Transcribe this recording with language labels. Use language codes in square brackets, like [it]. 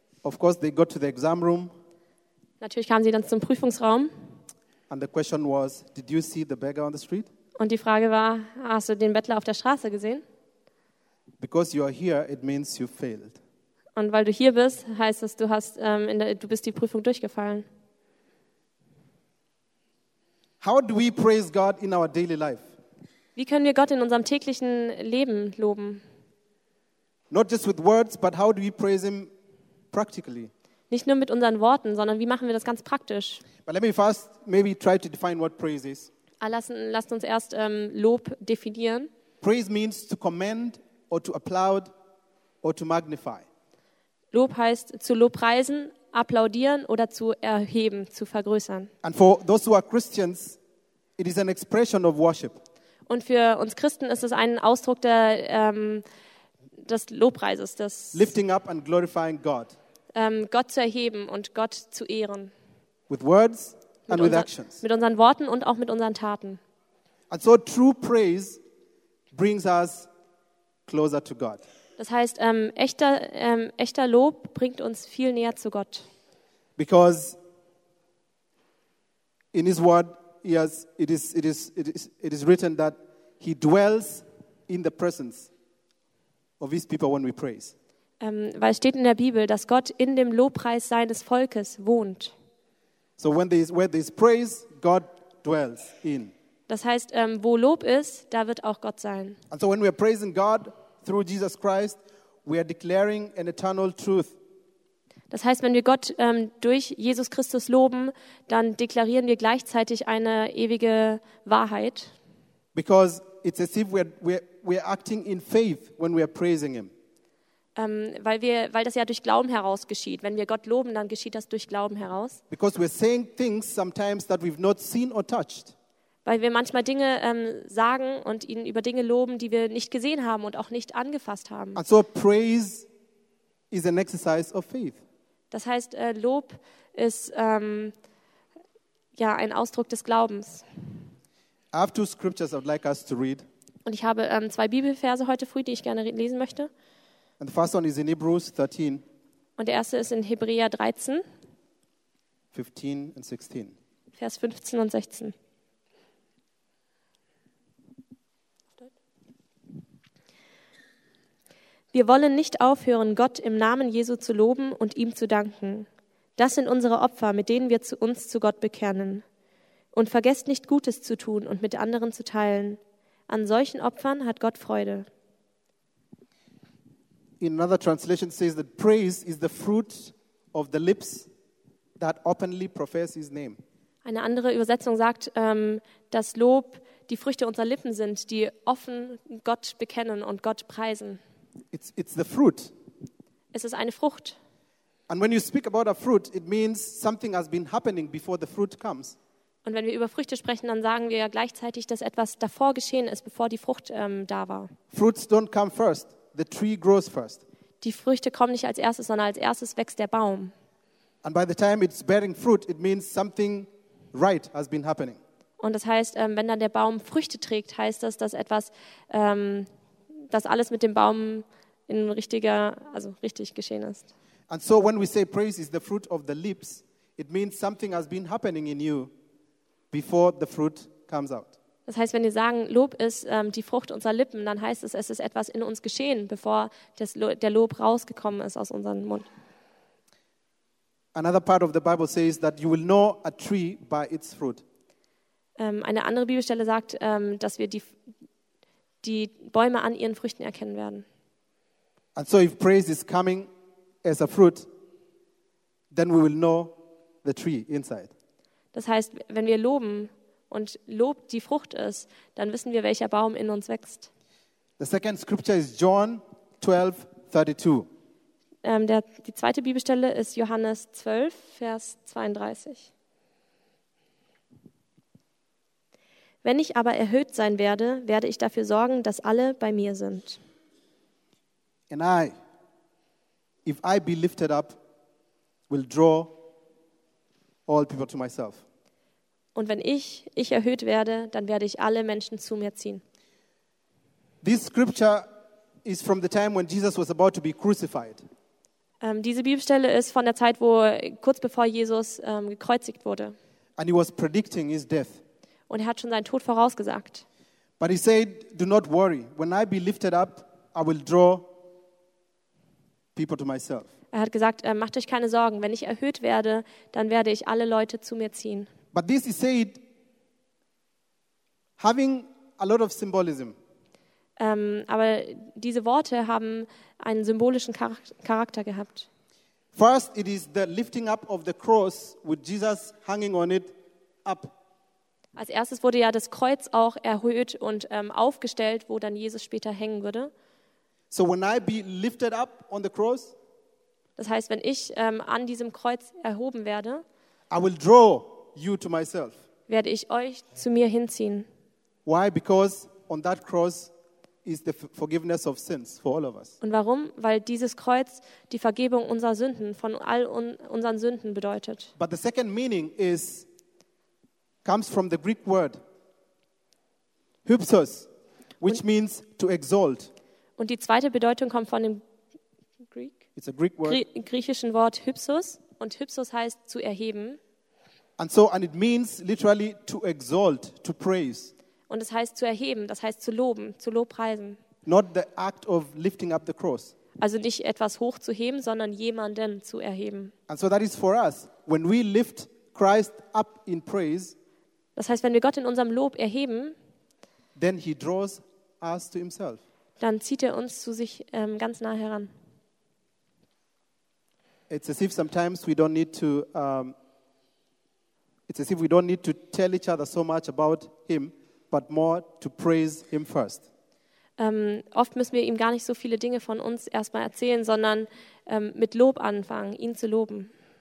[en] Of course they got to the exam room. [de] Natürlich kamen sie dann zum Prüfungsraum. [en] And the question was, did you see the beggar on the street? [de] Und die Frage war, hast du den Bettler auf der Straße gesehen? [en] Because you are here, it means you failed. [de] Und weil du hier bist, heißt das, du bist die Prüfung durchgefallen. [en] How do we praise God in our daily life? [de] Wie können wir Gott in unserem täglichen Leben loben? [en] Not just with words, but how do we praise him practically? [de] Nicht nur mit unseren Worten, sondern wie machen wir das ganz praktisch? [en] But let me first maybe try to define what praise is. [de] Lasst uns erst Lob definieren. [en] Praise means to commend or to applaud or to magnify. [de] Lob heißt zu lobpreisen, applaudieren oder zu erheben, zu vergrößern. [en] And for those who are Christians, it is an expression of worship. [de] Und für uns Christen ist es ein Ausdruck der, des Lobpreises, des [en] lifting up and glorifying God. [de] Gott zu erheben und Gott zu ehren. [en] With words and with actions. [de] Mit unseren Worten und auch mit unseren Taten. [en] And so true praise brings us closer to God. [de] Das heißt, echter Lob bringt uns viel näher zu Gott. [en] Because in his word, yes, it is written that he dwells in the presence of his people when we praise. [de] Weil es steht in der Bibel, dass Gott in dem Lobpreis seines Volkes wohnt. [en] So when there is praise, God dwells in. [de] Das heißt, wo Lob ist, da wird auch Gott sein. [en] And so when we are praising God through Jesus Christ, we are declaring an eternal truth. [de] Das heißt, wenn wir Gott durch Jesus Christus loben, dann deklarieren wir gleichzeitig eine ewige Wahrheit. [en] Because it's as if we're acting in faith when we are praising him. [de] Weil das ja durch Glauben heraus geschieht. Wenn wir Gott loben, dann geschieht das durch Glauben heraus. [en] Because we're saying things sometimes that we've not seen or touched. [de] Weil wir manchmal Dinge sagen und ihn über Dinge loben, die wir nicht gesehen haben und auch nicht angefasst haben. [en] And so praise is an exercise of faith. [de] Das heißt, Lob ist ein Ausdruck des Glaubens. [en] I have two scriptures I would like us to read. [de] Und ich habe zwei Bibelverse heute früh, die ich gerne lesen möchte. [en] And the first one is in Hebrews 13. [de] Und der erste ist in Hebräer 13. [en] 15 and 16. [de] Vers 15 und 16. Wir wollen nicht aufhören, Gott im Namen Jesu zu loben und ihm zu danken. Das sind unsere Opfer, mit denen wir uns zu Gott bekennen. Und vergesst nicht, Gutes zu tun und mit anderen zu teilen. An solchen Opfern hat Gott Freude. [en] In another translation says that praise is the fruit of the lips that openly profess his name. [de] Eine andere Übersetzung sagt, dass Lob die Früchte unserer Lippen sind, die offen Gott bekennen und Gott preisen. [en] It's the fruit. [de] Es ist eine Frucht. [en] And when you speak about a fruit, it means something has been happening before the fruit comes. [de] Und wenn wir über Früchte sprechen, dann sagen wir ja gleichzeitig, dass etwas davor geschehen ist, bevor die Frucht da war. [en] Fruits don't come first. The tree grows first. [de] Die Früchte kommen nicht als erstes, sondern als erstes wächst der Baum. [en] And by the time it's bearing fruit, it means something right has been happening. [de] Und das heißt, wenn dann der Baum Früchte trägt, heißt das, dass etwas dass alles mit dem Baum in richtiger, also richtig geschehen ist. [en] And so when we say praise is the fruit of the lips, it means something has been happening in you before the fruit comes out. [de] Das heißt, wenn wir sagen, Lob ist die Frucht unserer Lippen, dann heißt es, es ist etwas in uns geschehen, bevor der Lob rausgekommen ist aus unserem Mund. [en] Another part of the Bible says that you will know a tree by its fruit. [de] Eine andere Bibelstelle sagt, dass wir die Bäume an ihren Früchten erkennen werden. [en] And so if praise is coming as a fruit, then we will know the tree inside. [de] Das heißt, wenn wir loben und Lob die Frucht ist, dann wissen wir, welcher Baum in uns wächst. [en] The second scripture is John 12, 32. [de] Die zweite Bibelstelle ist Johannes 12, Vers 32. Wenn ich aber erhöht sein werde, werde ich dafür sorgen, dass alle bei mir sind. [en] And I, if I be lifted up, will draw all people to myself. [de] Und wenn ich erhöht werde, dann werde ich alle Menschen zu mir ziehen. [en] This scripture is from the time when Jesus was about to be crucified. [de] Diese Bibelstelle ist von der Zeit, wo kurz bevor Jesus gekreuzigt wurde. [en] And he was predicting his death. [de] Und er hat schon seinen Tod vorausgesagt. [en] But he said, do not worry. When I be lifted up, I will draw people to myself. [de] Er hat gesagt, macht euch keine Sorgen. Wenn ich erhöht werde, dann werde ich alle Leute zu mir ziehen. [en] But this he said having a lot of symbolism. [de] Aber diese Worte haben einen symbolischen Charakter gehabt. [en] First, it is the lifting up of the cross with Jesus hanging on it up. [de] Als erstes wurde ja das Kreuz auch erhöht und aufgestellt, wo dann Jesus später hängen würde. [en] So when I be lifted up on the cross, [de] das heißt, wenn ich an diesem Kreuz erhoben werde, [en] I will draw you to myself. [de] Werde ich euch zu mir hinziehen. [en] Why? Because on that cross is the forgiveness of sins for all of us. [de] Und warum? Weil dieses Kreuz die Vergebung unserer Sünden, von all unseren Sünden bedeutet. [en] But the second meaning is comes from the Greek word hypsos, which means to exalt. [de] Und die zweite Bedeutung kommt von dem Greek? [en] It's a Greek word. [de] Griechischen Wort hypsos, und hypsos heißt zu erheben. [en] And so, and it means literally to exalt, to praise. [de] Und es heißt zu erheben, das heißt zu loben, zu lobpreisen. [en] Not the act of lifting up the cross. [de] Also nicht etwas hochzuheben, sondern jemanden zu erheben. [en] And so that is for us when we lift Christ up in praise. [de] Das heißt, wenn wir Gott in unserem Lob erheben, [en] then he draws us to himself. [de] Dann zieht er uns zu sich ganz nah heran. [en] It's as if sometimes we don't need to it's as if we don't need to tell each other so much about him, but more to praise him first. [de] Oft müssen wir ihm gar nicht so viele Dinge von uns erstmal erzählen, sondern mit Lob anfangen, ihn zu loben.